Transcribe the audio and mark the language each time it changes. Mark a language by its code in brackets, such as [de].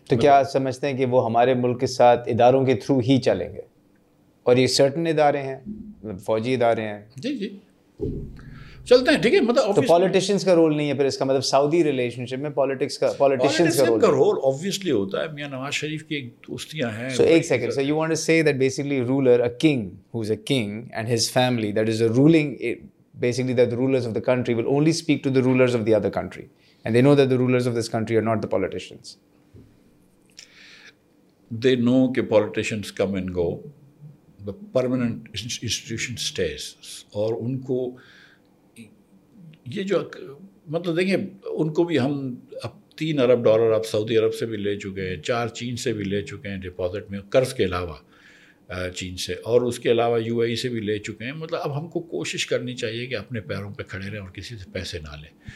[ur] تو کیا آپ سمجھتے ہیں کہ وہ ہمارے ملک کے ساتھ اداروں کے تھرو ہی چلیں گے؟ اور یہ سرٹن ادارے ہیں, فوجی ادارے ہیں. جی چلتے ہیں, ٹھیک ہے. مطلب تو پولیٹیشنز کا رول نہیں ہے پھر اس کا, مطلب سعودی ریلیشن شپ میں پولیٹکس کا, پولیٹیشنز کا رول آبویسلی ہوتا ہے. میاں نواز شریف کی ایک دوستیاں ہیں. [en] So ایک second, so you want to say that basically ruler, a king who's a king and his family that is a ruling, basically that rulers of the country will only speak to the rulers of the other country and they know that the rulers of this country are not the politicians. They know [ur] کہ [en] Politicians come and go, the permanent institution stays. [ur] اور ان کو یہ جو مطلب دیکھیں, ان کو بھی ہم اب $3 ارب اب سعودی عرب سے بھی لے چکے ہیں, 4 چین سے بھی لے چکے ہیں ڈپازٹ میں قرض کے علاوہ چین سے, اور اس کے علاوہ یو اے ای سے بھی لے چکے ہیں. مطلب اب ہم کو کوشش کرنی چاہیے کہ اپنے پیروں پہ کھڑے رہیں اور کسی سے پیسے نہ لیں.